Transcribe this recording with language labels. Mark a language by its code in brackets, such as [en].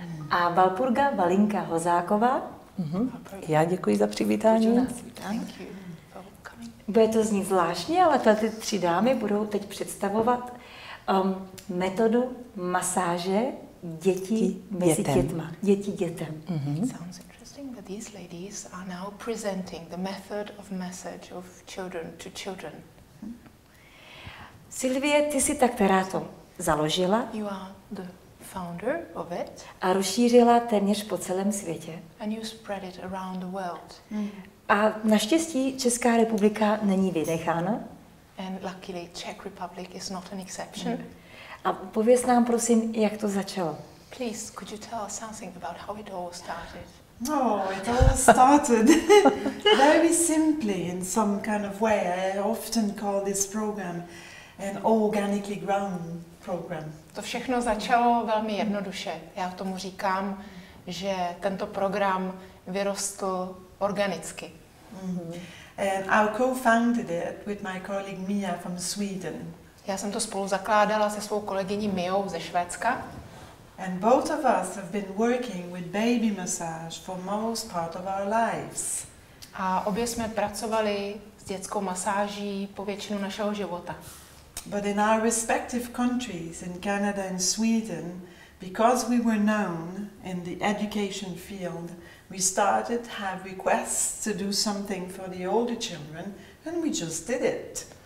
[cs] A Valpurga Valinka Hozáková. Já děkuji za přivítání. Buď u nás vítána. Bude to znít zvláštně, ale tady tři dámy budou teď představovat metodu masáže dětí mezi dětma. Dětí dětem. [en] That these ladies are now presenting the method of massage of children to children. [cs] Sylvie, ty jsi ta, která to založila. [en] You are the founder of it. [cs] A rozšířila téměř po celém světě. [en] And you spread it around the world. [cs] A naštěstí Česká republika není vynechána. [en] And luckily Czech Republic is not an exception. [cs] A pověz nám prosím, jak to začalo. [en] Please, could you tell us something about how it all started? No, it all started very simply in some kind of way. I often call this program an organically grown program. [cs] To všechno začalo velmi jednoduše. Já tomu říkám, že tento program vyrostl organicky. [en] And I co-founded it with my colleague Mia from Sweden. [cs] Já jsem to spolu zakládala se svou kolegyní Miou ze Švédska. [en] And both of us have been working with baby massage for most part of our lives. [cs] A obě jsme pracovali s dětskou masáží po většinu našeho života. [en] But in our respective countries, in Canada and Sweden, because we were known in the education field, we started to have requests to do something for the older children, and we just did it.